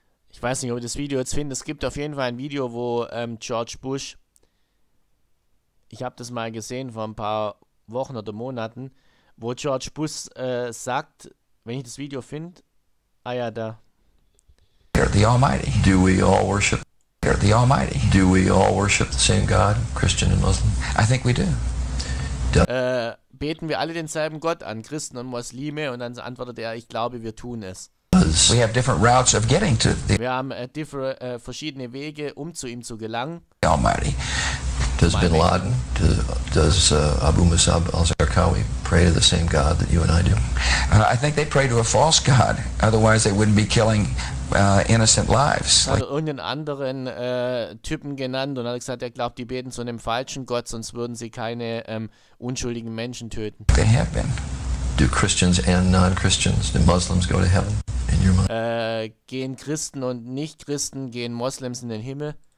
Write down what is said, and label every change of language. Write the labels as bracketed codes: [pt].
[de] Ich weiß nicht, ob ich das Video jetzt finde. Es gibt auf jeden Fall ein Video, wo George Bush, ich habe das mal gesehen vor ein paar Wochen oder Monaten, wo George Bush sagt, wenn ich das Video finde, ah ja, da. [en] The Almighty. Do we all worship the Almighty? Do we all worship the same God, Christian and Muslim? I think we do. [de] Beten wir alle denselben Gott an, Christen und Muslime? Und dann antwortet er, ich glaube, wir tun es. [en] We have different routes of getting to the [de] Wir haben verschiedene Wege, um zu ihm zu gelangen. [en] Almighty. Does Bin Laden, does Abu Musab al-Zarqawi pray to the same God that you and I do? I think they pray to a false God, otherwise they wouldn't be killing innocent lives. [de] Hat irgendeinen anderen Typen genannt und hat gesagt, er glaubt, die beten zu einem falschen Gott, sonst würden sie keine unschuldigen Menschen töten. [en] They have been. Do Christians and non-Christians, the Muslims go to heaven? In your mind. [de] Gehen Christen und Nicht-Christen, gehen Moslems in den Himmel?